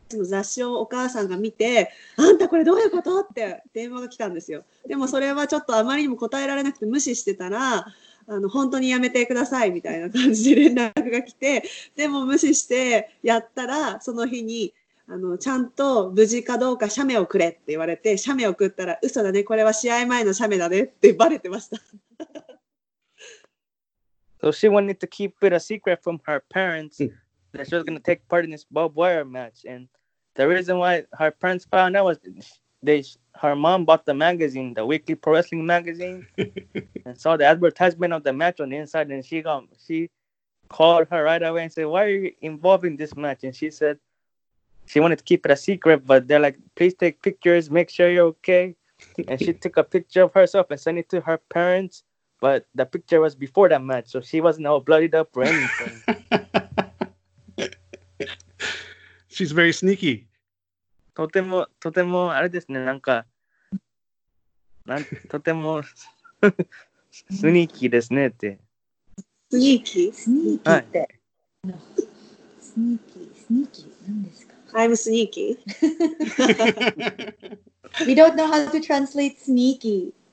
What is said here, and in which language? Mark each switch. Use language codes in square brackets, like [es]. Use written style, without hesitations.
[ja] の雑誌をお母さんが見て、あんたこれどういうことって電話が来たんですよ。でもそれはちょっとあまりにも答えられなくて無視してたら、あの本当にやめてくださいみたいな感じで連絡が来て、でも無視してやったら、その日にあのちゃんと無事かどうか写メをくれって言われて、写メ送ったら嘘だね、これは試合前の写メだねってバレてました。 [en] So she wanted to keep it a secret from her parents that she was going to take part in this barbed wire match, and the reason why her parents found out was her mom bought the magazine, the weekly pro wrestling magazine, and saw the advertisement of the match on the inside, and she called her right away and said, why are you involved in this match? And she said she wanted to keep it a secret, but they're like, please take pictures, make sure you're okay. And she took a picture of herself and sent it to her parents, but the picture was before that match, so she wasn't all bloodied up or anything. She's very sneaky. [ja] とても、とてもあれですね、なんか、とても、スニーキーですねって。スニーキー?スニーキーって。スニーキー?スニーキー?何ですか? [en] I'm sneaky. We don't know how to translate sneaky.